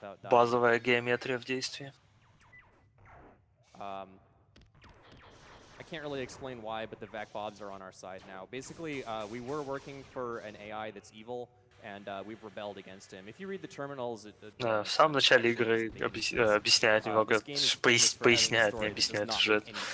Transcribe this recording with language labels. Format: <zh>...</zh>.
<ru>Базовая геометрия в действии.</ru> <en>I can't really explain why, but the vac bobs are on our side now. Basically, we were working for an AI that's evil. And we've rebelled against him. If you read the terminals,</en> <ru>в самом начале игры объясняет немного, поясняет, не объясняет сюжет.</ru>